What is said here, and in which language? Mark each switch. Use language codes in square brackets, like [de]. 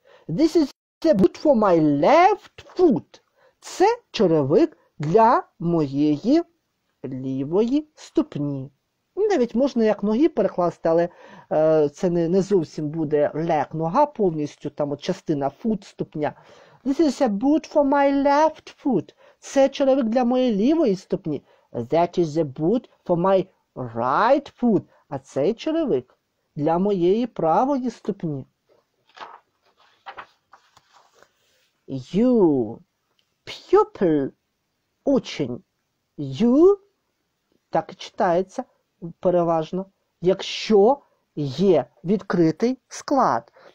[en] This is a boot for my left foot. [uk] Це черевик для моєї лівої ступні. Навіть можна як ноги перекласти, але це не зовсім буде leg, нога повністю, там от частина foot, ступня. [en] This is a boot for my left foot. [uk] Це черевик для моєї лівої ступні. [en] That is a boot for my right foot. [uk] А цей черевик для моєї правої ступні. [en] You – pupil – учень. [uk] You – так і читається переважно, якщо є відкритий склад.